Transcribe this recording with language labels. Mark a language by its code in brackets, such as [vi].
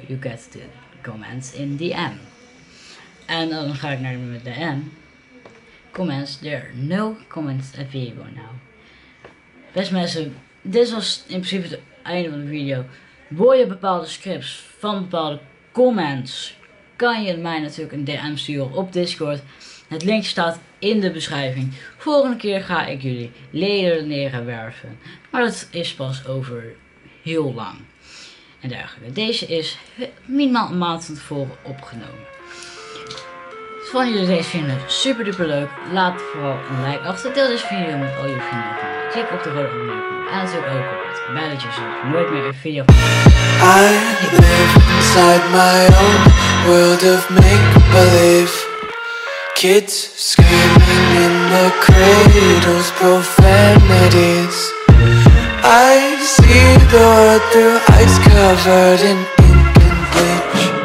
[en] You get the comments in DM. [nl] En dan ga ik naar de DM. Comments. [en] There are no comments available now. [nl] Beste mensen, dit was in principe het einde van de video. Wil je bepaalde scripts van bepaalde comments, kan je mij natuurlijk een DM sturen op Discord. Het linkje staat in de beschrijving. Volgende keer ga ik jullie leden leren werven. Maar dat is pas over heel lang. En dergelijke. Deze is minimaal een maand van tevoren opgenomen. Vonden jullie deze video super duper leuk? Laat vooral een like achter. Deel deze video met al je vrienden. Klik op de rode abonneer. En natuurlijk ook op het belletje zodat je nooit meer een video [en] I live inside my own world of make-believe. Kids screaming in the cradles, profanities. I see the world through ice covered in ink and bleach.